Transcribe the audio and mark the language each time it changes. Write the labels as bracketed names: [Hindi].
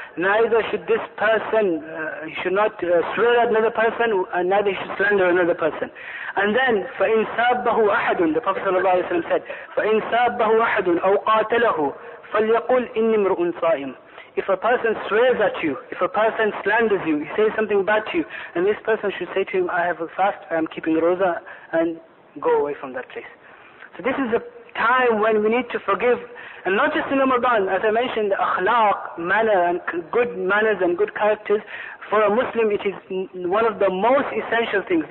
[English] Neither should this person, he should not swear at another person, and neither he should slander another person. And then, [Arabic] فَإِنْ سَابَّهُ أَحَدٌ, [English] the Prophet sallallahu alayhi wa sallam said, [Arabic] فَإِنْ سَابَّهُ أَحَدٌ أَوْ قَاتَلَهُ فَلْيَقُلْ إِنِّي مْرُؤٌ صَائِمٌ. [English] If a person swears at you, if a person slanders you, he says something bad to you, then this person should say to him, I have a fast, I am keeping roza, and go away from that place. So this is a time when we need to forgive, and not just in Ramadan. As I mentioned, akhlaq, manner, and good manners and good characters, for a Muslim it is one of the most essential things.